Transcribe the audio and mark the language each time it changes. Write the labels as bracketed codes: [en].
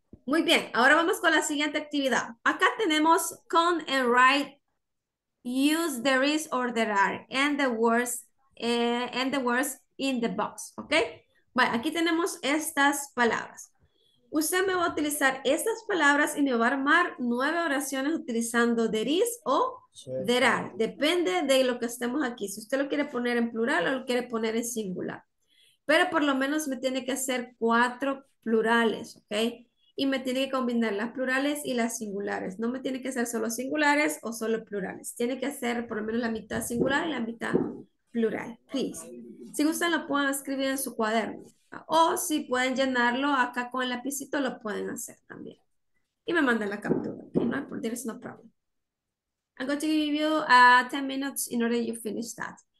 [es] Muy bien, ahora vamos con la siguiente actividad. Acá tenemos con [en] and write, use there is or there are, and the words in the box, okay? [es] Vaya, aquí tenemos estas palabras. Usted me va a utilizar estas palabras y me va a armar 9 oraciones utilizando [en] there is [es] o [en] there are. [es] Depende de lo que estemos aquí. Si usted lo quiere poner en plural o lo quiere poner en singular. Pero por lo menos me tiene que hacer 4 plurales, ¿ok? Y me tiene que combinar las plurales y las singulares. No me tiene que hacer solo singulares o solo plurales. Tiene que hacer por lo menos la mitad singular y la mitad plural. [en] Please. [es] Si gustan, lo pueden escribir en su cuaderno. O si pueden llenarlo acá con el lapicito, lo pueden hacer también. Y me mandan la captura. [en] There is no problem. I'm going to give you 10 minutes in order you finish that.